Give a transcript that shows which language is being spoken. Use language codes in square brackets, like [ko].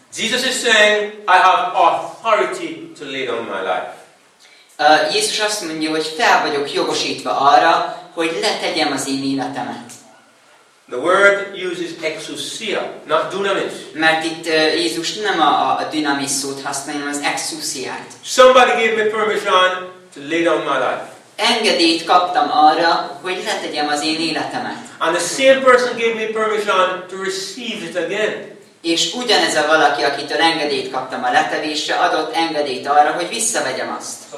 [en] Jesus is saying, I have authority to lay down my life. [hu] Jézus azt mondja, hogy fel vagyok jogosítva arra, hogy letegyem az én életemet. [en] The word uses exousia, not dynamis. [hu] Mert itt Jézus nem a dynamis szót használja, hanem az exousiát. [en] Somebody gave me permission to lay down my life. [hu] Engedélyt kaptam arra, hogy letegyem az én életemet. [en] And the same person gave me permission to receive it again. [hu] És ugyanez a valaki, akitől engedélyt kaptam a letevésre, adott engedélyt arra, hogy visszavegyem azt.